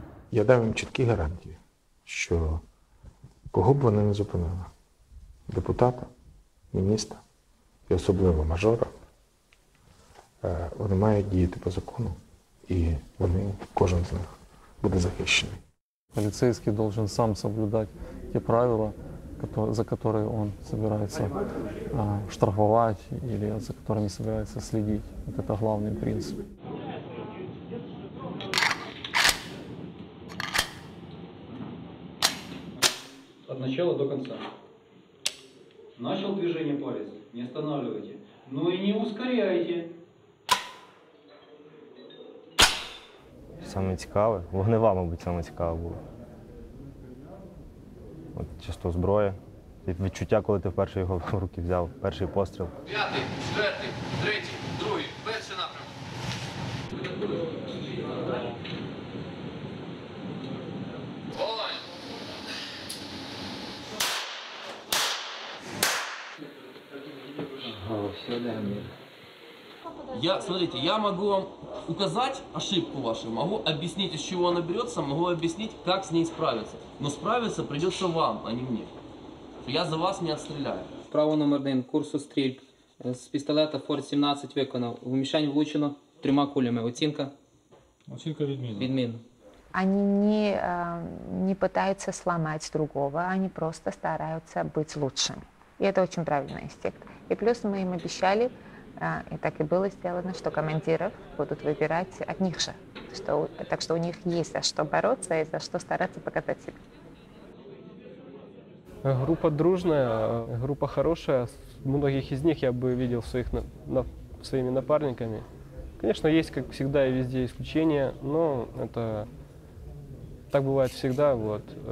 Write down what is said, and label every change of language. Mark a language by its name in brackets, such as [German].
[Ukrainian] Я дав їм чіткі гарантії, що кого б вони не зупинили, депутата, міністра і особливо мажора, вони мають діяти по закону і вони, кожен з них буде захищений. Поліцейський повинен сам соблюдати ті правила, [Russian] за которые он собирается штрафовать или за которыми собирается следить. Вот это главный принцип. От начала до конца. Начал движение палец, не останавливайте. Ну и не ускоряйте. Самое интересное, [Ukrainian] вогнева, мабуть, [Russian] самое интересное было. Вот часто зброя. [Ukrainian] Відчуття, коли ти вперше його в руки взяв, перший постріл. П'ятий, четвертий, третій, другий, перший напрямок. Вогонь! Ага, все легко. [Russian] Я, смотрите, я могу вам указать ошибку вашу, могу объяснить, из чего она берется, могу объяснить, как с ней справиться. Но справиться придется вам, а не мне. Я за вас не отстреляю. [Ukrainian] Право номер один. Курсу стрільб. З пістолета Форт 17 виконав. В мішень влучено трьома кулями. Оцінка? Оцінка відмінна. Відмінна. Вони не намагаються зламати другого, вони просто стараються бути кращими. І це дуже правильний інстинкт. І плюс ми їм обіцяли, і так і було зроблено, що командирів будуть вибирати одних же. [Russian] что, так что у них есть за что бороться и за что стараться показать себя. Группа дружная, группа хорошая. Многих из них я бы видел своих своими напарниками. Конечно, есть, как всегда и везде, исключения, но это так бывает всегда. Вот.